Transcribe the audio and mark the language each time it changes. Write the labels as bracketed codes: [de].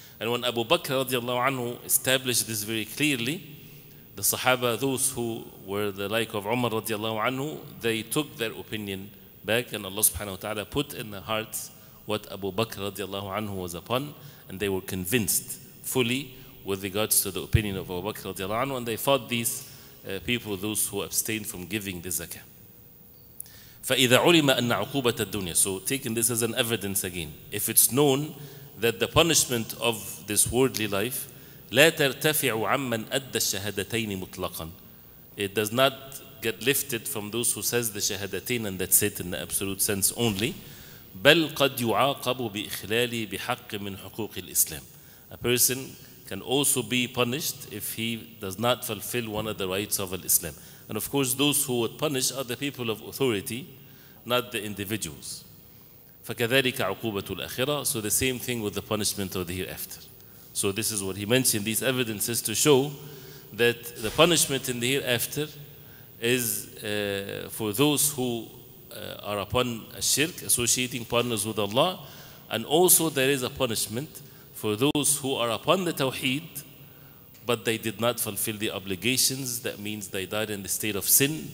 [en] And when Abu Bakr radiallahu anhu established this very clearly, the Sahaba, those who were the like of Umar radiallahu anhu, they took their opinion back, and Allah subhanahu wa ta'ala put in their hearts what Abu Bakr radiallahu anhu was upon, and they were convinced fully with regards to the opinion of Abu Bakr radiallahu anhu, and they fought these people, those who abstained from giving the zakah. [ar] فَإِذَا عُلِمَ أَنَّ عُقُوبَةَ الدُّنْيَا. [en] So taking this as an evidence again, if it's known that the punishment of this worldly life, [ar] لا ترتفع عمن أدى الشهادتين مطلقا. [en] It does not get lifted from those who says the شهادتين and that's it in the absolute sense only. [ar] بل قد يعاقب بإخلال بحق من حقوق الإسلام. [en] A person can also be punished if he does not fulfill one of the rights of Islam. And of course, those who would punish are the people of authority, not the individuals. [ar] فكذلك عقوبة الآخرة. [en] So the same thing with the punishment of the hereafter. So this is what he mentioned, these evidences to show that the punishment in the hereafter is for those who are upon a shirk, associating partners with Allah, and also there is a punishment for those who are upon the tawheed, but they did not fulfill the obligations, that means they died in the state of sin.